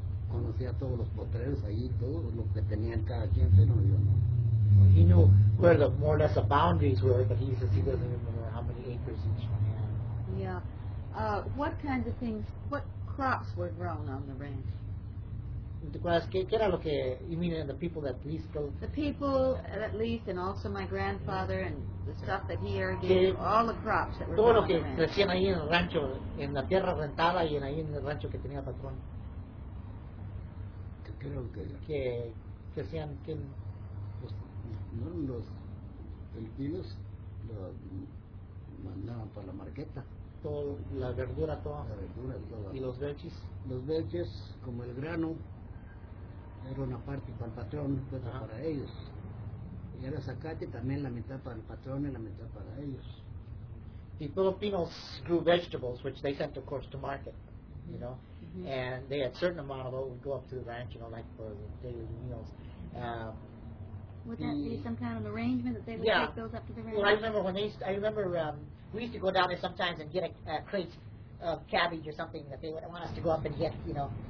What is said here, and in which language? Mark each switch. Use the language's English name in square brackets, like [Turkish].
[Spanish] Conocía todos los potreros ahí, todos los que tenían cada quien, pero yo no. [English] He knew where the more or less the boundaries were, but he says he doesn't remember how many acres each one had. Yeah. What kinds of things, what crops were grown on the ranch? [Spanish] ¿Qué era lo que, [English] you mean the people that leased those? The people at least, and also my grandfather, and the stuff that he irrigated, all the crops that were grown. [Spanish] Todo lo que crecían ahí en el rancho, en la tierra rentada y ahí en el rancho que tenía patrón. Creo que que sean que los filipinos lo mandaban para la marqueta, toda la verdura, toda la verdura y, toda. ¿Y los belches como el grano era una parte para el patrón, otra para ellos, y el zacate también la mitad para el patrón y la mitad para ellos. [English] The Filipinos grew vegetables which they sent of course to market, you know. Mm-hmm. And they had a certain amount of what would go up to the ranch, you know, like for the daily meals. Would that be some kind of arrangement that they would take those up to the ranch? Well, I remember we used to go down there sometimes and get a crate of cabbage or something that they would want us to go up and get, you know.